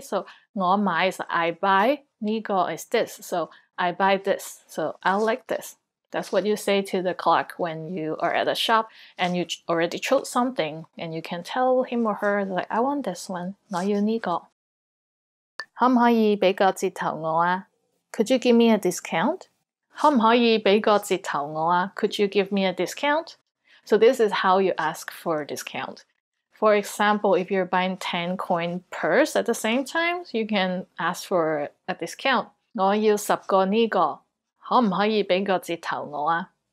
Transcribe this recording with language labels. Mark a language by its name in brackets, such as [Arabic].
[English] So [Cantonese] 我买 [English] is I buy. [Cantonese] 这个 [English] is this. So I buy this. So I like this. That's what you say to the clerk when you are at a shop and you already chose something and you can tell him or her, like, I want this one, [Cantonese] 我要这个. 可不可以给个折头我啊? [English] Could you give me a discount? [Cantonese] 可不可以给个折头我啊? [English] Could you give me a discount? So this is how you ask for a discount. For example, if you're buying 10 coin purse at the same time, you can ask for a discount. [Cantonese] 我要十个这个. 可不可以给个折头我啊?